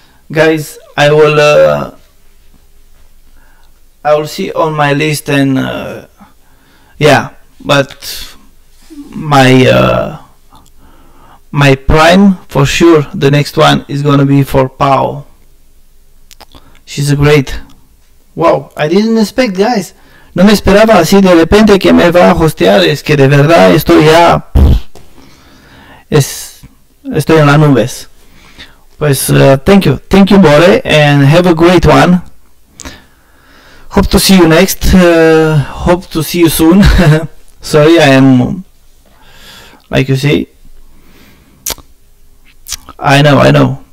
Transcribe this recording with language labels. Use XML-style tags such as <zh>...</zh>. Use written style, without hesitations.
<en>Guys, I will see on my list and yeah, but my prime for sure, the next one is gonna be for Pau. She's a great. Wow, I didn't expect, guys.</en> <es>No me esperaba así de repente que me va a hostear. Es que de verdad estoy ya, estoy en las nubes. Pues,</es> <en>thank you, Bore, and have a great one. Hope to see you next. Hope to see you soon. Sorry, I am, like you see. I know.</en>